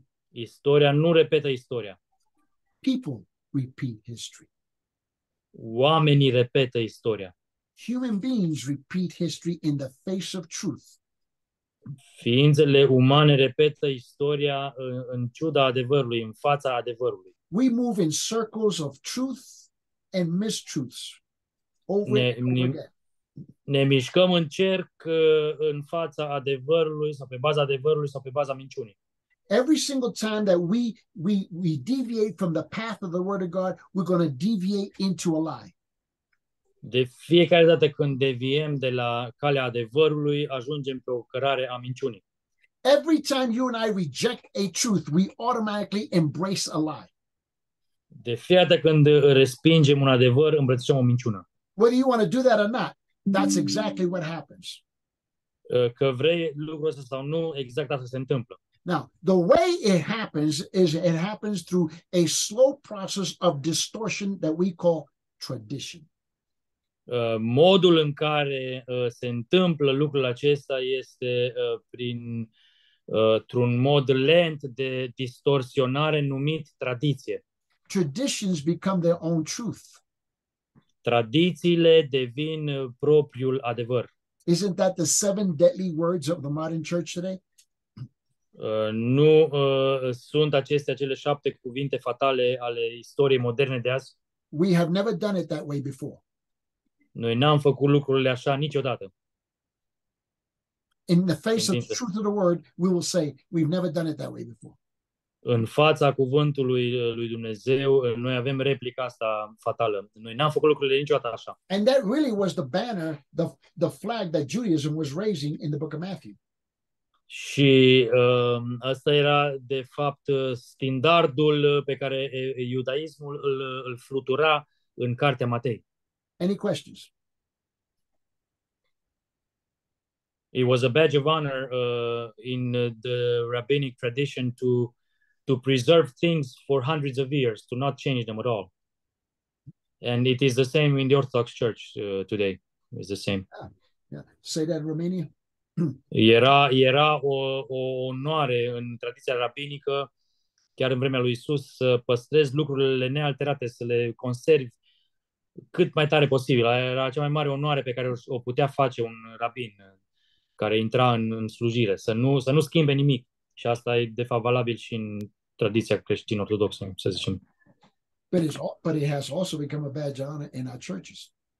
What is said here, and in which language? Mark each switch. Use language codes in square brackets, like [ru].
[ro] Istoria nu repetă istoria. [en] People repeat history. [ro] Oamenii repetă istoria. [en] Human beings repeat history in the face of truth. [ro] Ființele umane repetă istoria în ciuda adevărului, în fața adevărului. [en] We move in circles of truth and mistruths over and over again. [ro] Ne mișcăm în cerc în fața adevărului sau pe baza adevărului sau pe baza minciunii. [en] Every single time that we deviate from the path of the word of God, we're going to deviate into a lie. [ro] De fiecare dată când deviem de la calea adevărului, ajungem pe o cărare a minciunii. [en] Every time you and I reject a truth, we automatically embrace a lie. [ro] De fiecare dată când respingem un adevăr, îmbrățișăm o minciună. [en] Whether you want to do that or not, that's exactly what happens. [ro] Că vrei lucrul ăsta sau nu, exact asta se întâmplă. [en] Now, the way it happens is it happens through a slow process of distortion that we call tradition. [ro] Modul în care se întâmplă lucrul acesta este prin un mod lent de distorsionare numit tradiție. [en] Traditions become their own truth. [ro] Tradițiile devin propriul adevăr. [en] Isn't that the seven deadly words of the modern church today? [ro] Nu sunt acestea cele șapte cuvinte fatale ale istoriei moderne de azi? [en] We have never done it that way before. [ro] Noi n-am făcut lucrurile așa niciodată. [en] In the face of the truth of the word, we will say we've never done it that way before. [ro] în fața cuvântului lui Dumnezeu, noi avem replica asta fatală. Noi n-am făcut lucrurile niciodată așa. [en] And that really was the banner, the flag that Judaism was raising in the book of Matthew. [ro] Și asta era de fapt standardul pe care iudaismul îl flutura în cartea Matei. [en] Any questions? It was a badge of honor in the rabbinic tradition to preserve things for hundreds of years, to not change them at all. And it is the same in the Orthodox Church today. It's the same. Yeah. Say that in Romanian. [ro] Era o onoare în tradiția rabinică, chiar în vremea lui Isus, să păstrezi lucrurile nealterate, să le conservi cât mai tare posibil. Era cea mai mare onoare pe care o putea face un rabin care intra în slujire, să nu schimbe nimic. Și asta e de fapt valabil și în tradiția creștină ortodoxă, să zicem. [en] But it has also become a badge of honor in our churches.